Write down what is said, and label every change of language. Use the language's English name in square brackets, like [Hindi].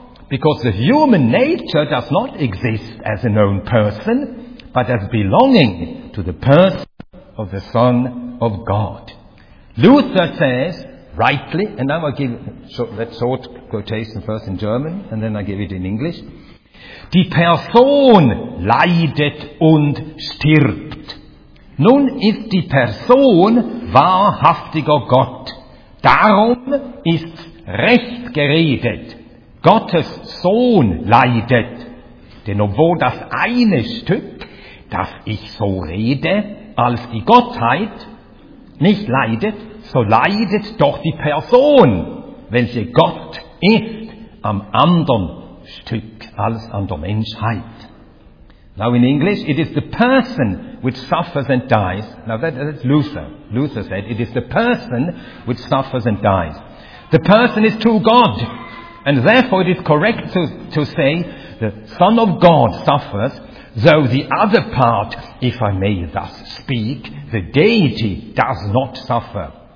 [English] Because the human nature does not exist as a known person, but as belonging to the person of the Son of God. Luther says, rightly, and now I give that short quotation first in German, and then I give it in English. [German] Die Person leidet und stirbt. Nun ist die Person wahrhaftiger Gott. Darum ist recht geredet. Gottes Sohn leidet. Denn obwohl das eine Stück, das ich so rede, als die Gottheit nicht leidet, so leidet doch die Person, welche Gott ist, am anderen Stück als an der Menschheit. [English] Now in English, it is the person which suffers and dies. Now that's Luther. Luther said, it is the person which suffers and dies. The person is to God. And therefore it is correct to say, the Son of God suffers, though the other part, if I may thus speak, the deity does not suffer.